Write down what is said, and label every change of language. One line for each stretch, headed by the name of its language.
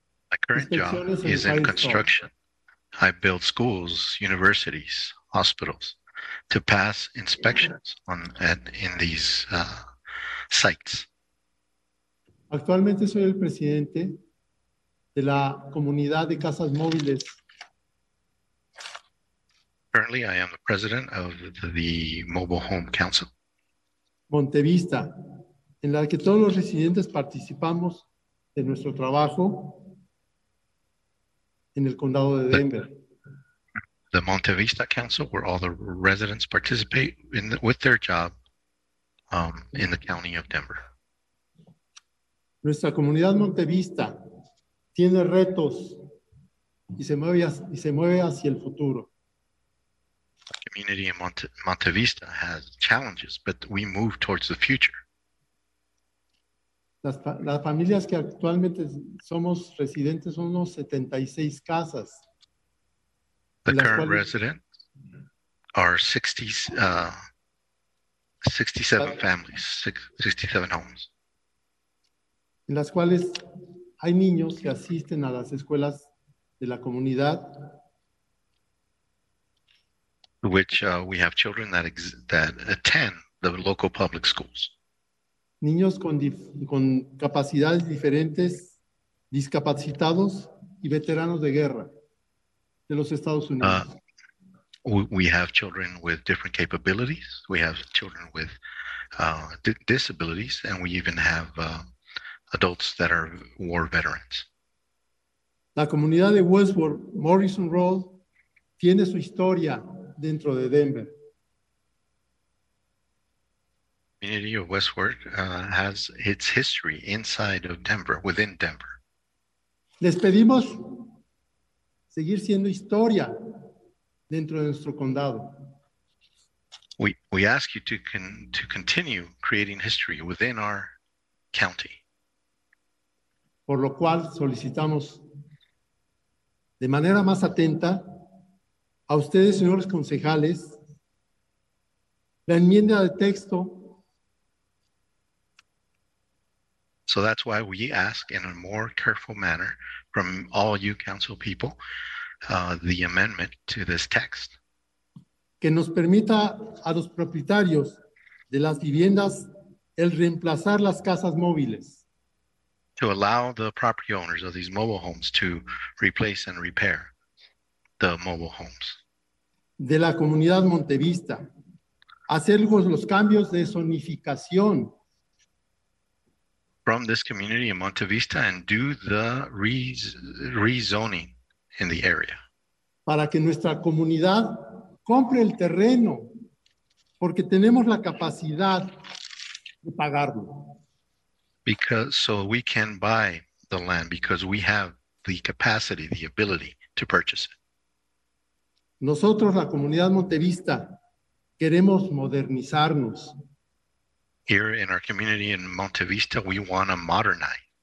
English: My current job is in construction. I build schools, universities, hospitals, to pass inspections in these sites.
Spanish: Actualmente soy el presidente de la comunidad de casas móviles.
English: Currently, I am the president of the Mobile Home Council.
Spanish: Montevista, en la que todos los residentes participamos de nuestro trabajo en el condado de Denver.
English: The Monte Vista Council, where all the residents participate with their job in the county of Denver.
Spanish: Nuestra comunidad Monte Vista tiene retos y se mueve hacia el futuro.
English: The community in Monte Vista has challenges, but we move towards the future.
Spanish: Las familias que actualmente somos residentes son unos 76 casas.
English: The current residents are 67 families, 67 homes.
Spanish: En las cuales hay niños que asisten a las escuelas de la comunidad.
English: Which we have children that attend the local public schools.
Spanish: Niños con capacidades diferentes, discapacitados y veteranos de guerra. De los Estados Unidos.
English: We have children with different capabilities. We have children with disabilities, and we even have adults that are war veterans.
Spanish: La comunidad de Westworth, Morrison Road, tiene su historia dentro de Denver.
English: Community of Westworth has its history inside of Denver, within Denver.
Spanish: Les pedimos seguir siendo historia dentro de nuestro condado.
English: We ask you to continue creating history within our county.
Spanish: Por lo cual solicitamos de manera más atenta a ustedes, señores concejales, la enmienda de texto
English: So that's why we ask in a more careful manner from all you council people, the amendment to this text.
Spanish: Que nos permita a los propietarios de las viviendas el reemplazar las casas móviles.
English: To allow the property owners of these mobile homes to replace and repair the mobile homes.
Spanish: De la comunidad Montevista, hacer los cambios de zonificación.
English: From this community in Montevista and do the rezoning in the area.
Spanish: Para que nuestra comunidad compre el terreno, porque tenemos la capacidad de pagarlo.
English: Because so we can buy the land because we have the capacity, the ability to purchase it.
Spanish: Nosotros, la comunidad Montevista, queremos modernizarnos.
English: Here in our community in Montevista, we want to modernize.